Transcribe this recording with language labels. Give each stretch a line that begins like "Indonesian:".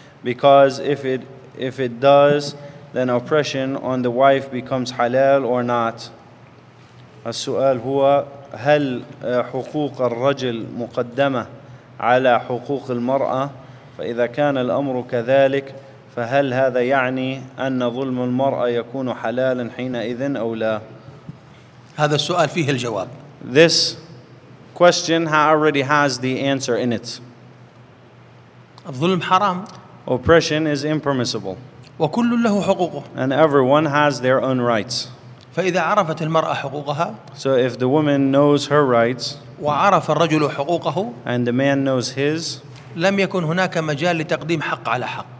English: Because if it does, then oppression on the wife becomes halal or not.
Arabic: السؤال هو هل حقوق الرجل مقدمة على حقوق المرأة؟ فإذا كان الأمر كذلك فهل هذا يعني أن ظلم المرأة يكون حلالا حينئذ أو لا؟ هذا السؤال فيه الجواب.
English: This question already has the answer in it.
Arabic: الظلم حرام.
English: Oppression is impermissible.
Arabic: وكل له حقوقه.
English: And everyone has their own rights.
Arabic: فإذا عرفت المرأة حقوقها.
English: So if the woman knows her rights.
Arabic: وعرف الرجل حقوقه.
English: And the man knows his.
Arabic: لم يكن هناك مجال لتقديم حق على حق.